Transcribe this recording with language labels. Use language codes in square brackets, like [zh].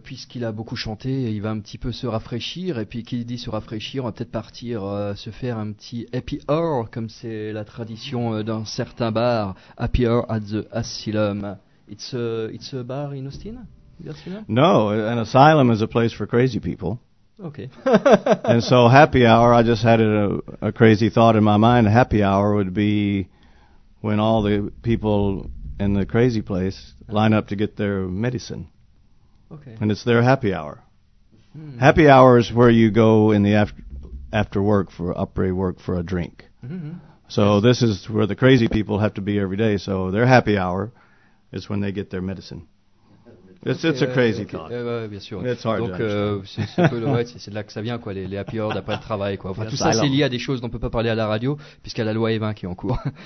[fr] Puisqu'il a beaucoup chanté, il va un petit peu se rafraîchir. Et puis, qu'il dit se rafraîchir, on va peut-être partir se faire un petit happy hour, comme c'est la tradition dans certains bars. [en] Happy hour at the asylum. It's a bar in Austin? No, an asylum is a place for crazy people. Okay. And so, happy hour, I just had a crazy thought in my mind. A happy hour would be when all the people in the crazy place line up to get their medicine. Okay. And it's their happy hour. Hmm. Happy hour is where you go in the after work for upper work for a drink. Mm-hmm. So yes. This is where the crazy people have to be every day. So their happy hour is when they get their medicine. It's a crazy thought. [fr] Bien sûr. [en] It's hard donc, to understand. [fr] C'est, c'est, c'est de là que ça vient, quoi, les happy hours d'après le travail. Quoi. Enfin, tout ça, c'est lié à des choses dont on ne peut pas parler à la radio, puisqu'il y a la loi E20 qui est en cours.